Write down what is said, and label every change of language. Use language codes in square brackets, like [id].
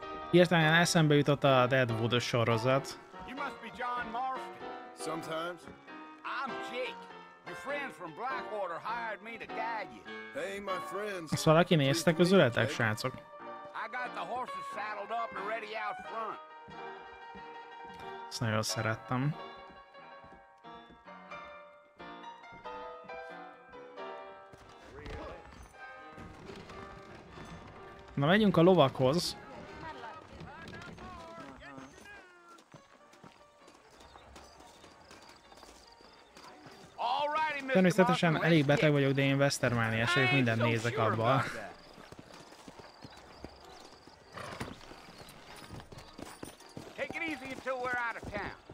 [hu] Hirtelen eszembe jutott a Deadwood sorozat. [en] You must be John Marston. Sometimes. I'm Jake. Your friends from Blackwater hired me to guide you. Hey, my friends. [hu] Azt valaki nézte közületek, srácok. [en] I got the horses saddled up and ready out front. [hu] Ezt nagyon szerettem. Na, megyünk a lovakhoz. Természetesen elég beteg vagyok, de én Westermania vagyok, mindent nézek abban. [en] Take it easy until we're out of town.